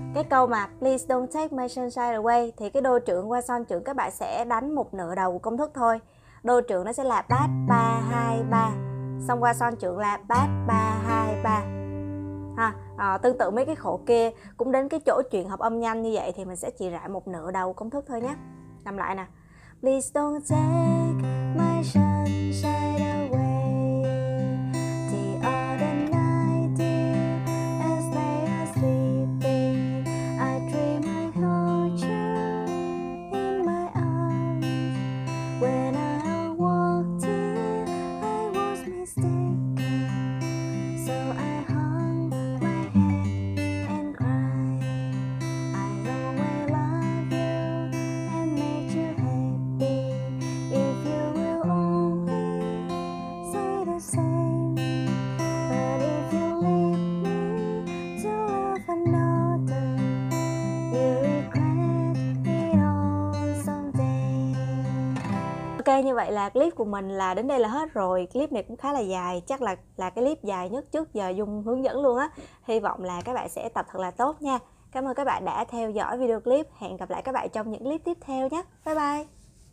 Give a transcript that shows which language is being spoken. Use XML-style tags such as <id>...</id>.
<vi>câu mà</vi> <en>please don't take my sunshine away</en> <vi>thì cái đô trưởng qua son trưởng các bạn sẽ đánh một nửa đầu của công thức thôi. Đô trưởng nó sẽ là bát 3 2 3, xong qua son trưởng là bát 3 2 3. Tương tự mấy cái khổ kia cũng đến cái chỗ chuyển hợp âm nhanh như vậy thì mình sẽ chỉ rải một nửa đầu công thức thôi nhé. Làm lại nè.</vi> <en>Please don't take my sunshine away. The other night as they are sleeping, I dream I hold you in my arms. When I walked in, I was mistaken. So I hung my head and cried. I'll always love you and make you happy. If you will only say the same. But if you leave me to love another, you'll regret it all someday.</en> <vi>Ok, như vậy là clip của mình là đến đây là hết rồi. Clip này cũng khá là dài, chắc là cái clip dài nhất trước giờ Dung hướng dẫn luôn á. Hy vọng là các bạn sẽ tập thật là tốt nha. Cảm ơn các bạn đã theo dõi video clip. Hẹn gặp lại các bạn trong những clip tiếp theo nhé. Bye bye.</vi>